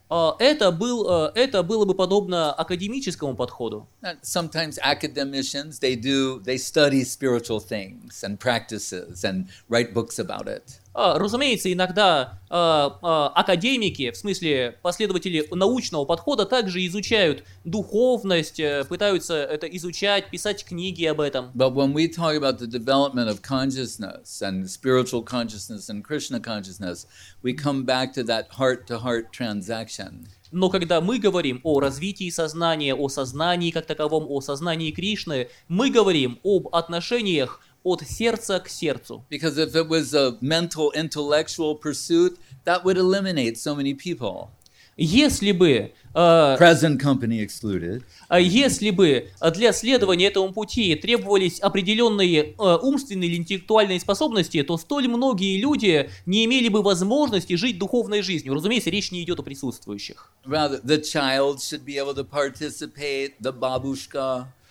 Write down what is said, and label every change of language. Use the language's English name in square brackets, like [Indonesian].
[Russian] Это было бы подобно академическому подходу. [English] Sometimes academicians, they study spiritual things and practices and write books about it. [Russian] Разумеется, иногда академики, в смысле последователи научного подхода, также изучают духовность, пытаются это изучать, писать книги об этом. [English] But when we talk about the development of consciousness and spiritual consciousness and Krishna consciousness, we come back to that heart-to-heart transaction. [Russian] Но когда мы говорим о развитии сознания, о сознании как таковом, о сознании Кришны, мы говорим об отношениях от сердца к сердцу. [English] Because if it was a mental intellectual pursuit, that would eliminate so many people. [Russian] Если бы [English] present company excluded. [Russian] Если бы для следования этому пути требовались определенные умственные или интеллектуальные способности, то столь многие люди не имели бы возможности жить духовной жизнью. Разумеется, речь не идет о присутствующих. [English] Rather, the child should be able to participate, the бабушка.